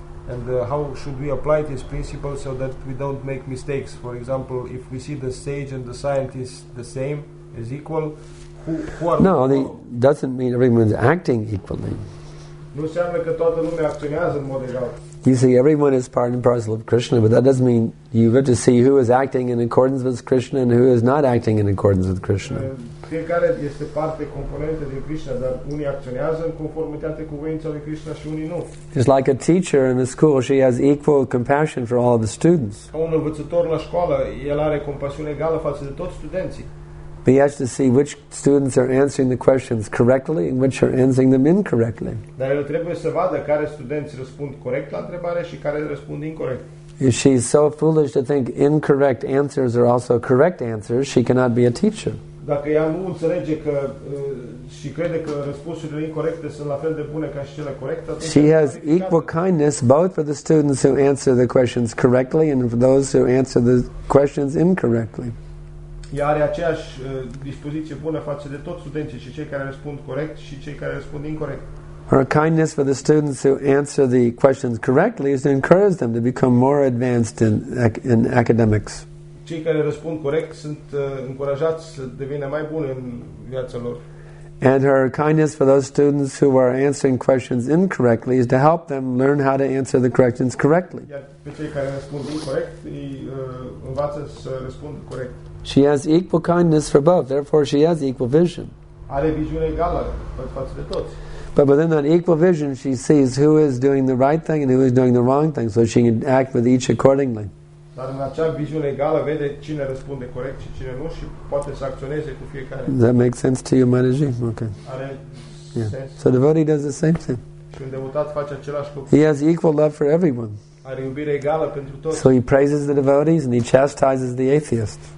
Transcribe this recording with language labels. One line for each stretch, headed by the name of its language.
English: And how should we apply this principle so that we don't make mistakes? For example, if we see the sage and the scientist the same, as equal, who are no, we? No, it doesn't mean everyone's acting equally.
Romanian: Nu înseamnă că toată lumea acționează în mod egal.
English: You see, everyone is part and parcel of Krishna, but that doesn't mean you have to see who is acting in accordance with Krishna and who is not acting in accordance with Krishna.
Romanian: Fiecare este parte componentă din Krishna, dar unii acționează în conformitate cu voința lui Krishna și unii nu.
English: It's like a teacher in a school, she has equal compassion for all of the students.
Romanian: Un învățător la școală, el are compasiune egală față de toți studenții.
English: But he has to see which students are answering the questions correctly and which are answering them incorrectly.
Romanian: Dar el trebuie să vadă care studenți răspund corect la întrebare și care răspund incorrect.
English: If she's so foolish to think incorrect answers are also correct answers, she cannot be a teacher.
Romanian: Dacă ea nu înțelege că și crede că răspunsurile incorrecte sunt la fel de bune ca și cele corecte, atunci
English: she has equal kindness both for the students who answer the questions correctly and for those who answer the questions incorrectly.
Romanian: Ea are aceeași dispoziție bună față de toți studenții, și cei care răspund corect și cei care răspund incorrect.
English: Her kindness for the students who answer the questions correctly is to encourage them to become more advanced in academics.
Romanian: Cei care răspund corect sunt încurajați să devină mai buni în viața lor.
English: And her kindness for those students who are answering questions incorrectly is to help them learn how to answer the questions correctly.
Romanian: Iar pe cei care răspund incorrect, îi învață să răspundă corect.
English: She has equal kindness for both, therefore she has equal vision.
Romanian: Are viziune egală față de toți.
English: But within that equal vision, she sees who is doing the right thing and who is doing the wrong thing, so she can act with each accordingly.
Romanian: Dar în acea viziune egală vede cine răspunde corect și cine nu și poate să acționeze cu fiecare.
English: Does that make sense to you, Maharaji? Okay.
Romanian: Are yeah.
English: sens. So devotee does the same thing.
Romanian: Și un devotat face același lucru.
English: He has equal love for everyone.
Romanian: Are iubire egală pentru toți.
English: So he praises the devotees and he chastises the atheist.